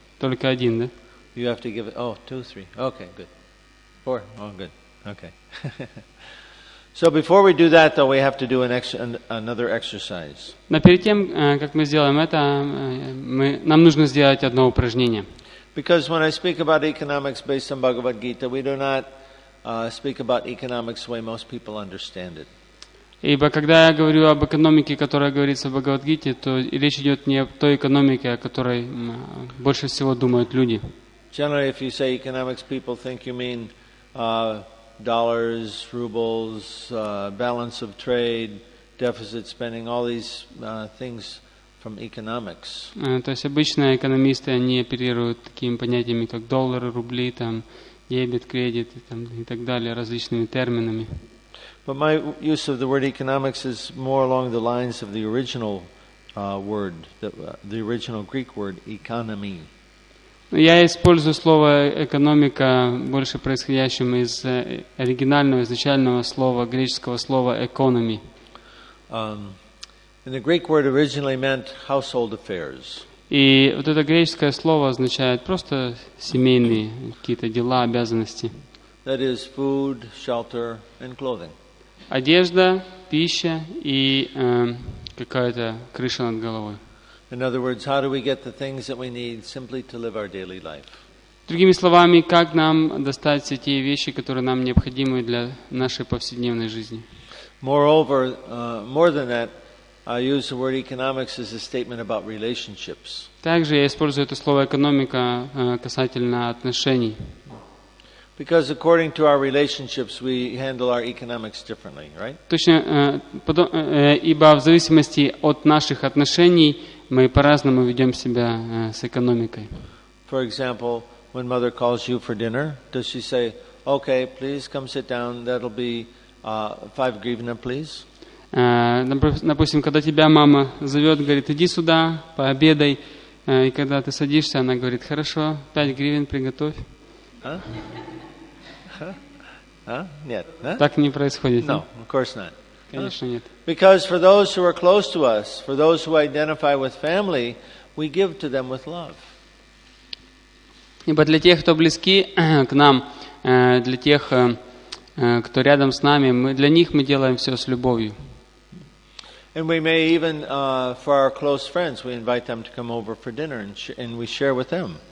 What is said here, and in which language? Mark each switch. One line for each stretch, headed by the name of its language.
Russian: Только один, да?
English: You have to give it. Oh, two, three. Okay, good. Four. Oh, good. Okay. So before we do that, though, we have to do another exercise.
Russian: Но перед тем, как мы сделаем это, нам нужно сделать одно упражнение.
English: Because when I speak about economics based on Bhagavad Gita, we do not speak about economics the way most people understand it.
Russian: Ибо когда я говорю об экономике, которая говорится в Бхагавад Гите, то речь идет не о той экономике, о которой больше всего думают люди.
English: Generally, if you say economics, people think you mean dollars, rubles, balance of trade, deficit spending, all these things from economics.
Russian: То есть обычно экономисты, они оперируют такими понятиями, как доллары, рубли, там, дебет, кредит и так далее, различными терминами.
English: But my use of the word economics is more along the lines of the original word, the original Greek word, economy.
Russian: Я использую слово «экономика», больше происходящим из оригинального, изначального слова, греческого слова «экономи».
English: And the Greek word originally meant household affairs.
Russian: И вот это греческое слово означает просто семейные какие-то дела, обязанности.
English: That is food, shelter, and clothing.
Russian: Одежда, пища и какая-то крыша над головой.
English: In other words, how do we get the things that we need simply to live our daily life?
Russian: Другими словами, как нам достать все те вещи, которые нам необходимы для нашей повседневной жизни?
English: Moreover, more than that, I use the word economics as a statement about relationships.
Russian: Также я использую это слово экономика касательно отношений.
English: Because according to our relationships, we handle our economics differently, right?
Russian: Точно, ибо в зависимости от наших отношений мы по-разному ведем себя с экономикой.
English: For example, when mother calls you for dinner, does she say, "Okay, please come sit down. That'll be 5 hryvnia, please"?
Russian: Допустим, когда тебя мама зовет, говорит, иди сюда, пообедай, и когда ты садишься, она говорит, хорошо, 5 hryvnia, приготовь. Нет. Так не происходит.
English: No, of course not.
Russian: Конечно, нет.
English: Because for those who are close to us, for those who identify with family, we give to them with love.
Russian: Ибо для тех, кто близки к нам, для тех, кто рядом с нами, для них мы делаем все с любовью.
English: And we may even, for our close friends, we invite them to come over for dinner and we share with them.